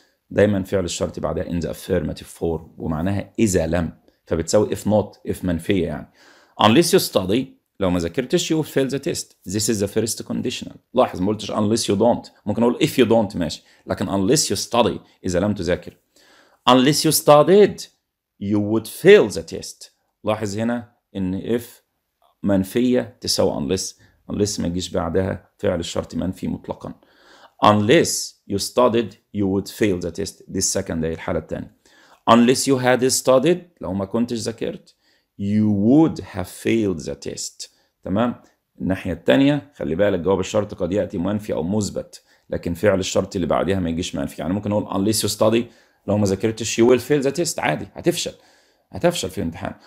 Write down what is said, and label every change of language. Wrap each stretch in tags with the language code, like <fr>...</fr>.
<ar>دايما فعل الشرط بعدها</ar> <en>in the affirmative form</en> <ar>ومعناها إذا لم, فبتساوي</ar> <en>if not,</en> <ar>if منفية يعني.</ar> <en>Unless you study,</en> <ar>لو ما ذكرتش</ar> <en>you fail the test. This is the first conditional.</en> <ar>لاحظ ما قلتش</ar> <en>unless you don't.</en> <ar>ممكن أقول</ar> <en>if you don't</en> <ar>ماشي, لكن</ar> <en>unless you study,</en> <ar>إذا لم تذاكر.</ar> <en>Unless you studied, you would fail the test.</en> <ar>لاحظ هنا إن if منفية تساوي unless. Unless ما يجيش بعدها فعل الشرط منفي مطلقا.</ar> <en>Unless you studied, you would fail the test. This second,</en> <ar>هي الحالة الثانية.</ar> <en>Unless you had studied,</en> <ar>لو ما كنتش ذاكرت,</ar> <en>you would have failed the test.</en> <ar>تمام؟ الناحية الثانية, خلي بالك جواب الشرط قد يأتي منفي أو مثبت, لكن فعل الشرط اللي بعدها ما يجيش منفي. يعني ممكن أقول</ar> <en>unless you study,</en> <ar>لو ما ذاكرتش,</ar> <en>you will fail the test.</en> <ar>عادي, هتفشل. هتفشل في الامتحان.</ar>